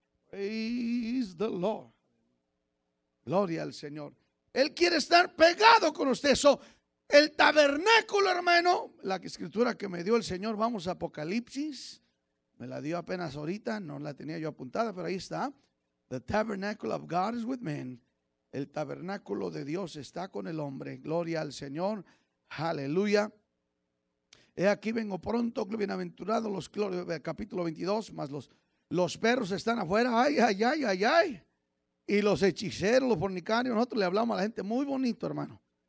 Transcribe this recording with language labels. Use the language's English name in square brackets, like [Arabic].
[English] Praise the Lord. [Spanish] Gloria al Señor. Él quiere estar pegado con usted. So, el tabernáculo, hermano, la escritura que me dio el Señor, vamos a Apocalipsis. Me la dio apenas ahorita, no la tenía yo apuntada, pero ahí está. [English] The tabernacle of God is with men. [Spanish] El tabernáculo de Dios está con el hombre. Gloria al Señor. Aleluya. He aquí vengo pronto, bienaventurados los capítulo 22, más los perros están afuera. Ay, ay, ay, ay, ay. Y los hechiceros, los fornicarios, nosotros le hablamos a la gente muy bonito, hermano.